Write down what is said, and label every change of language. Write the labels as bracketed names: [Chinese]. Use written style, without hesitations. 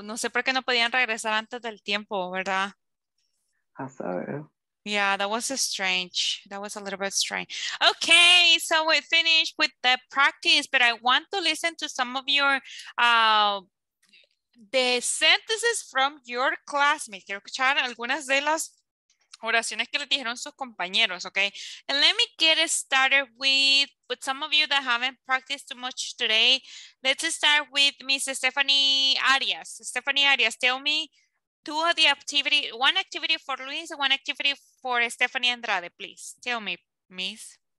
[Spanish] No sé por qué no podían regresar antes del tiempo, ¿verdad? [English] I saw it. Yeah, that was strange. That was a little bit strange. Okay, so we finished with the practice, but I want to listen to some of your the sentences from your classmates. [Spanish] Quiero escuchar algunas de las oraciones que le dijeron sus compañeros, okay? [English] And let me get started with some of you that haven't practiced too much today. Let's start with Miss Stephanie Arias. Stephanie Arias, tell me two of the activity, one activity for Luis, one activity for Stephanie Andrade, please. Tell me, Miss.